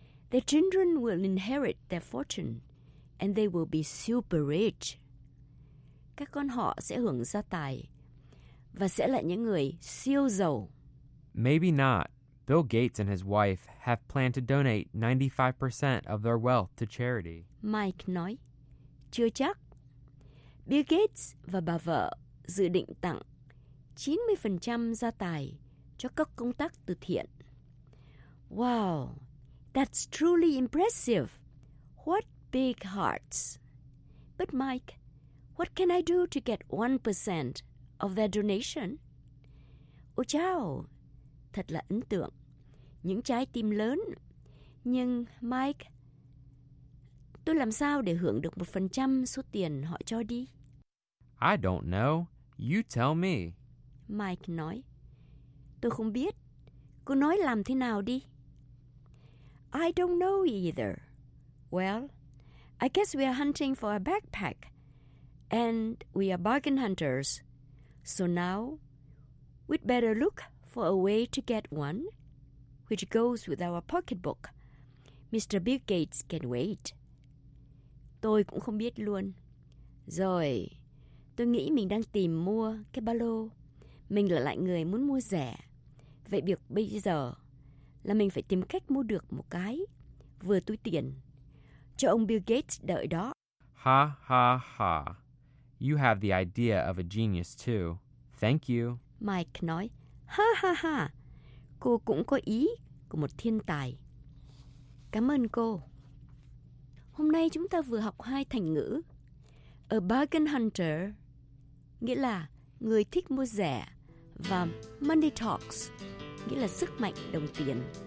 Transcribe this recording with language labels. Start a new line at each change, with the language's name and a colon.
English: Their children will inherit their fortune and they will be super rich.
Vietnamese: Các con họ sẽ hưởng gia tài và sẽ là những người siêu giàu.
English: Maybe not. Bill Gates and his wife have planned to donate 95% of their wealth to charity.
Vietnamese: Mike nói, chưa chắc. Bill Gates và bà vợ dự định tặng 90% gia tài cho các công tác từ thiện.
English: Wow, that's truly impressive. What big hearts. But Mike, what can I do to get 1% of their donation?
Vietnamese: Ôi chao, thật là ấn tượng. Những trái tim lớn. Nhưng Mike, tôi làm sao để hưởng được 1% số tiền họ cho đi?
English: I don't know. You tell me.
Vietnamese: Mike nói, tôi không biết. Cô nói làm thế nào đi?
English: I don't know either. Well, I guess we are hunting for a backpack. And we are bargain hunters. So now, we'd better look for a way to get one, which goes with our pocketbook. Mr. Bill Gates can wait.
Vietnamese: Tôi cũng không biết luôn. Rồi, tôi nghĩ mình đang tìm mua cái ba lô. Mình là loại người muốn mua rẻ. Vậy việc bây giờ là mình phải tìm cách mua được một cái vừa túi tiền cho ông Bill Gates đợi đó. Ha ha ha.
English: You have the idea of a genius too. Thank you.
Vietnamese: Mike nói, ha ha ha. Cô cũng có ý của một thiên tài. Cảm ơn cô. Hôm nay chúng ta vừa học 2 thành ngữ.
English: A bargain hunter,
Vietnamese: nghĩa là người thích mua rẻ, và
English: money talks,
Vietnamese: nghĩa là sức mạnh đồng tiền.